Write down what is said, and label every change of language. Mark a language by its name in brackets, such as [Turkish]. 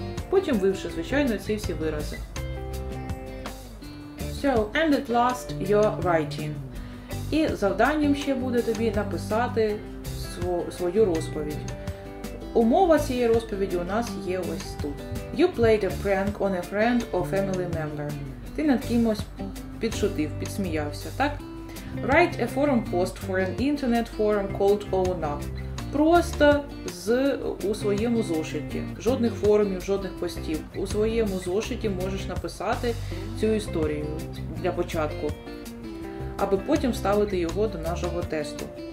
[Ukrainian] Потім вивши, звичайно, ці всі вирази. [English] So, and at last your writing. [Ukrainian] І завданням ще буде тобі написати свою розповідь. Умова цієї розповіді у нас є ось тут. [English] You played a prank on a friend or family member. [Ukrainian] Ти над кимось підшутив, підсміявся, так? [English] Write a forum post for an internet forum called OwnUp. [Ukrainian] Просто у своєму зошиті. Жодних форумів, жодних постів. У своєму зошиті можеш написати цю історію для початку, аби потім вставити його до нашого тесту.